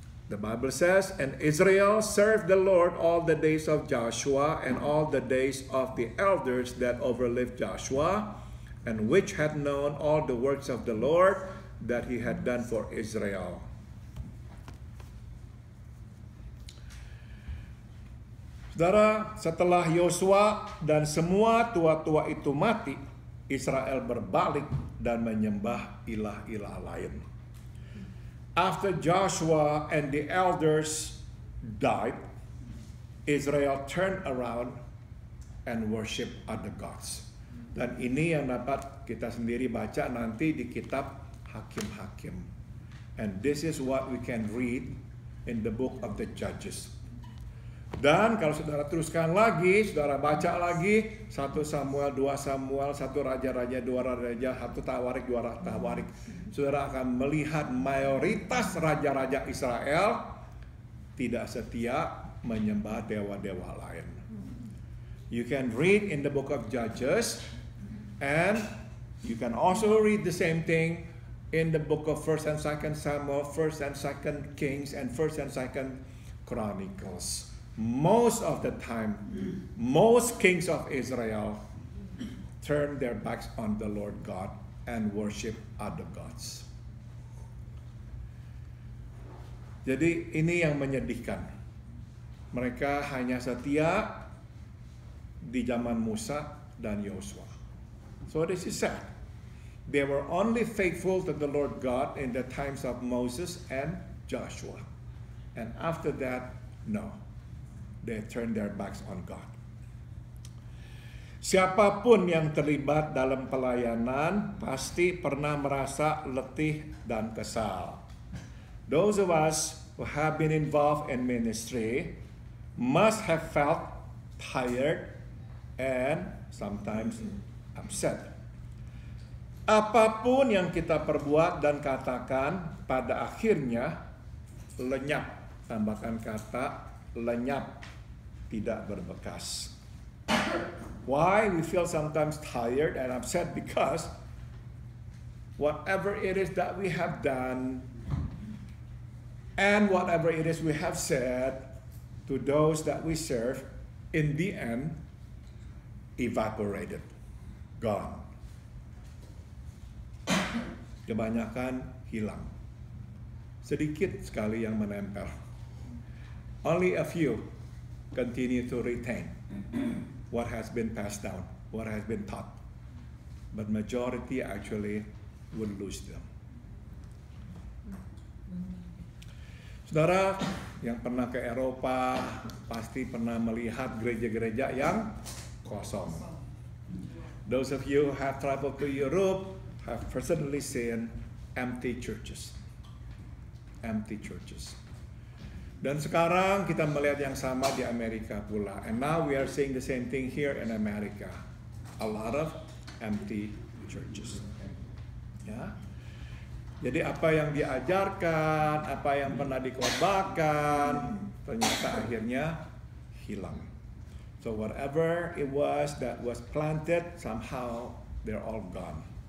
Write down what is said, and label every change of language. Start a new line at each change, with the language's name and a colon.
English: The Bible says, and Israel served the Lord all the days of Joshua and all the days of the elders that overlived Joshua, and which had known all the works of the Lord that he had done for Israel.
Indonesian: Saudara, setelah Yosua dan semua tua-tua itu mati, Israel berbalik dan menyembah ilah-ilah lain.
English: After Joshua and the elders died, Israel turned around and worship other gods.
Indonesian: Dan ini yang dapat kita sendiri baca nanti di kitab Hakim-Hakim.
English: And this is what we can read in the book of the Judges.
Indonesian: Dan kalau saudara teruskan lagi, saudara baca lagi 1 Samuel, 2 Samuel, 1 Raja-Raja, 2 Raja-Raja, 1 Tawarik, 2 Tawarik, saudara akan melihat mayoritas Raja-Raja Israel tidak setia menyembah dewa-dewa lain.
English: You can read in the book of Judges, and you can also read the same thing in the book of 1 and 2 Samuel, 1 and 2 Kings, and 1 and 2 Chronicles. Most of the time, most kings of Israel turn their backs on the Lord God and worship other gods.
Indonesian: Jadi ini yang menyedihkan. Mereka hanya setia di zaman Musa dan Yosua.
English: So this is sad. They were only faithful to the Lord God in the times of Moses and Joshua. And after that, no. They turn their backs on God.
Indonesian: Siapapun yang terlibat dalam pelayanan pasti pernah merasa letih dan kesal.
English: Those of us who have been involved in ministry must have felt tired and sometimes upset.
Indonesian: Apapun yang kita perbuat dan katakan, pada akhirnya lenyap. Tambahkan kata lenyap, tidak berbekas.
English: Why we feel sometimes tired and upset? Because whatever it is that we have done and whatever it is we have said to those that we serve, in the end, evaporated, gone.
Indonesian: Kebanyakan hilang. Sedikit sekali yang menempel.
English: Only a few continue to retain what has been passed down, what has been taught. But majority actually would lose them.
Indonesian: Saudara yang pernah ke Eropa pasti pernah melihat gereja-gereja yang kosong.
English: Those of you who have traveled to Europe have personally seen empty churches. Empty churches.
Indonesian: Dan sekarang kita melihat yang sama di Amerika pula.
English: And now we are seeing the same thing here in America. A lot of empty churches. Ya.
Indonesian: Jadi apa yang diajarkan, apa yang pernah dikorbankan, ternyata akhirnya hilang.
English: So whatever it was that was planted, somehow they're all gone.